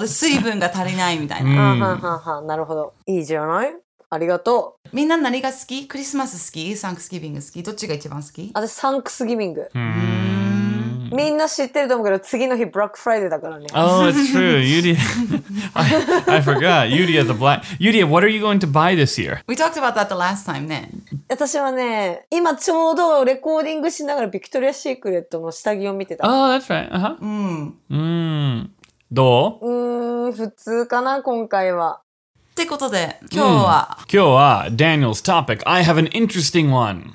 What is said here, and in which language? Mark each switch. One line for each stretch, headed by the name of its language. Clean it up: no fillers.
Japanese: で、水分が足りないみたいな。あはははなるほど。いいじゃない?ありがとう。みんな何が好き?クリスマス好き? サンクスギビング好き?どっちが一番好き? 私、サンクスギビング。うーん。みんな知ってると思うけど、次の日、ブラックフライデーだからね。
English: Oh, it's true. Yudia... I forgot. Yudia the black... Yudia, what are you going to buy this year? We talked about that the last time, ね。
Japanese: 私はね、今ちょうどレコーディングしながら、ビクトリアシークレットの下着を見てた。
English: Oh, that's right. Uh-huh.
Japanese: うん。うん。どう? 普通かな、今回は。ってことで、今日は、うん、今日は
English: Daniel's topic. I have an interesting one.、